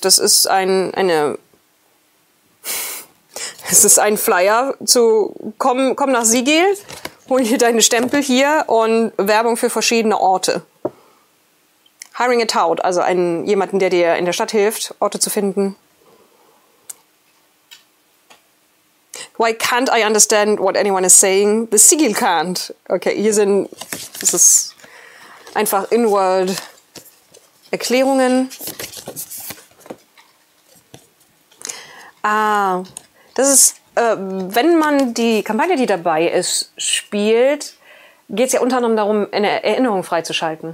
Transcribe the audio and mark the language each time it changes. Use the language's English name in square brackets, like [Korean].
[German] Das ist Es ist ein Flyer zu komm nach Sigil, hol dir deine Stempel hier und Werbung für verschiedene Orte. [English] Hiring a Tout, [German] also jemanden, der dir in der Stadt hilft, Orte zu finden. [English] Why can't I understand what anyone is saying? The Sigil can't. [German] Okay, hier sind, das ist einfach in-world Erklärungen. Ah, das ist, wenn man die Kampagne, die dabei ist, spielt, geht es ja unter anderem darum, eine Erinnerung freizuschalten.